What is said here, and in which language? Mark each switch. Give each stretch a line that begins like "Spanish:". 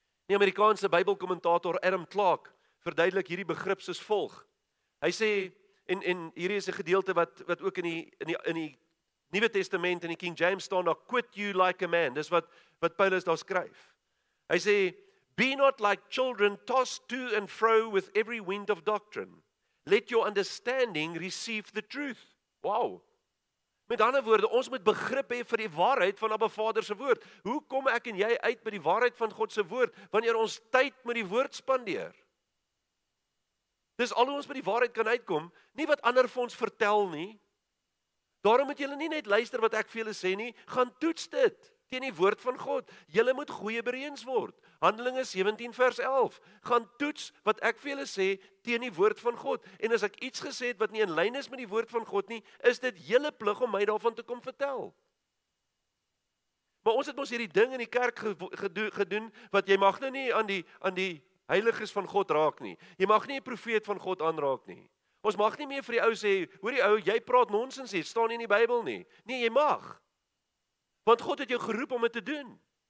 Afrikaans: Die Amerikaanse Bybelkommentator Adam Clark verduidelik hierdie begrip soos volg. Hy sê, en hier is 'n gedeelte wat ook in die Nuwe Testament in die King James staan, daar
English: quit you like a man,
Afrikaans: dis wat Paulus daar skryf.
English: Hy sê, be not like children tossed to and fro with every wind of doctrine. Let your understanding receive the truth.
Afrikaans: Wow. Met ander woorde, ons moet begrip hê vir die waarheid van Abba Vader se woord. Hoe kom ek en jy uit by die waarheid van God se woord, wanneer ons tyd met die woord spandeer? Dis al hoe ons by die waarheid kan uitkom, nie wat ander vir ons vertel nie. Daarom moet julle nie net luister wat ek vir julle sê nie, gaan toets dit teen die woord van God. Julle moet goeie bereens word. Handelinge 17 vers 11. Gaan toets wat ek vir julle sê teen die woord van God. En as ek iets gesê het wat nie in lyn is met die woord van God nie, is dit julle plig om my daarvan te kom vertel. Maar ons het mos hierdie ding in die kerk gedoen, wat jy mag nou nie aan die heiliges van God raak nie. Jy mag nie 'n profeet van God aanraak nie. Ons mag nie meer vir die ou sê, hoor die ou, jy praat nonsens hier, staan nie in die Bybel nie. Nee, jy mag. Want God het jou geroep om dit te doen.